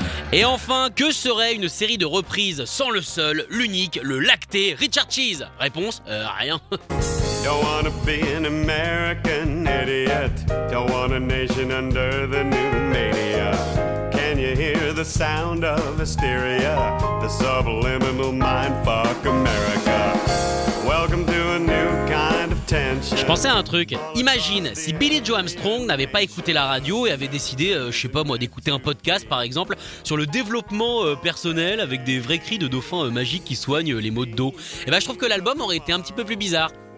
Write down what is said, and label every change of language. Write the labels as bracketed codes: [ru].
[fr] Et enfin, que serait une série de reprises sans le seul, l'unique, le lacté Richard Cheese? Réponse, rien. [en] Don't wanna be an American idiot. Don't want a nation under the new mania. Can you hear the sound of hysteria? The subliminal mindfuck America. Welcome to a new kind of tension. [fr] Je pensais à un truc. Imagine si Billy Joe Armstrong n'avait pas écouté la radio et avait décidé, d'écouter un podcast par exemple sur le développement personnel avec des vrais cris de dauphins magiques qui soignent les maux de dos. Et je trouve que l'album aurait été un petit peu plus bizarre.